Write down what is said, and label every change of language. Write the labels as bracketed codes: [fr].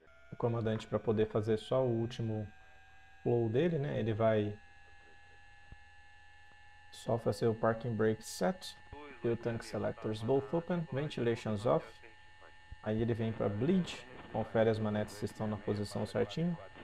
[pt] O comandante, para poder fazer só o último flow dele, né? Ele vai. Só fazer o [en] parking brake set, fuel tank selectors both open, ventilations off. [pt] Aí ele vem para bleed, confere as manetes se estão na posição certinho.